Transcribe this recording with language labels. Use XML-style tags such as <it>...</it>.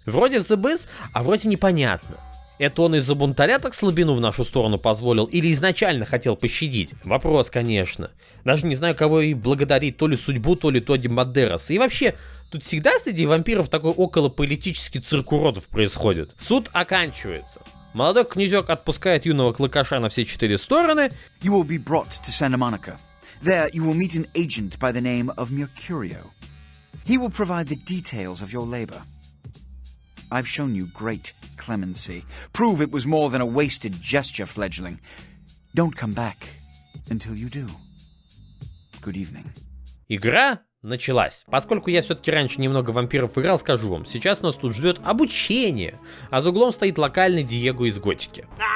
<ru>Вроде ЗБС, а вроде непонятно. Это он из-за бунтаря так слабину в нашу сторону позволил или изначально хотел пощадить? Вопрос, конечно. Даже не знаю, кого и благодарить, то ли судьбу, то ли Тодди Мадерас. И вообще, тут всегда среди вампиров такой околополитический цирк уродов происходит. Суд оканчивается. Молодой князёк отпускает юного клыкаша на все четыре стороны.</ru> <en>You will be brought to Santa Monica. There you will meet an agent by the name of Mercurio. He will provide the details of your labor. I've shown you great clemency. Prove it was more than a wasted gesture, fledgling. Don't come back until you do. Good evening.</en> <ru>Игра началась. Поскольку я все-таки раньше немного вампиров играл, скажу вам, сейчас нас тут ждет обучение, а за углом стоит локальный Диего из Готики.</ru>